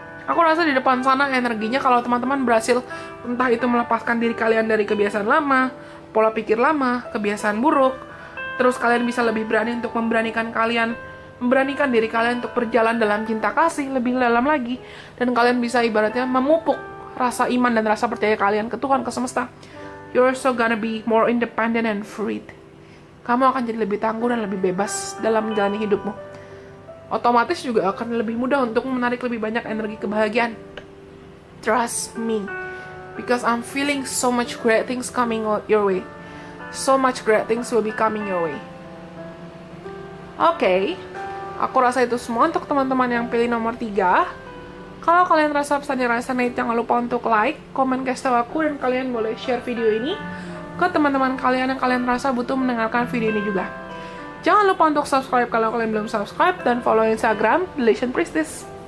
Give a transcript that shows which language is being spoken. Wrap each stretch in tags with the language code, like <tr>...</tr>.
<id>Aku rasa di depan sana energinya kalau teman-teman berhasil entah itu melepaskan diri kalian dari kebiasaan lama, pola pikir lama, kebiasaan buruk, terus kalian bisa lebih berani untuk memberanikan diri kalian untuk berjalan dalam cinta kasih lebih dalam lagi, dan kalian bisa ibaratnya memupuk rasa iman dan rasa percaya kalian ke Tuhan, ke semesta.</id> <en>You're so gonna be more independent and free.</en> <id>Kamu akan jadi lebih tangguh dan lebih bebas dalam menjalani hidupmu. Otomatis juga akan lebih mudah untuk menarik lebih banyak energi kebahagiaan.</id> <en>Trust me. because I'm feeling so much great things coming your way. So much great things will be coming your way. Okay.</en> <id>Aku rasa itu semua untuk teman-teman yang pilih nomor 3. Kalau kalian rasa pesannya resonate, jangan lupa untuk like, komen, kasih tau aku, dan kalian boleh share video ini ke teman-teman kalian yang kalian rasa butuh mendengarkan video ini juga. Jangan lupa untuk subscribe kalau kalian belum subscribe, dan follow Instagram, Relation Priestess.</id>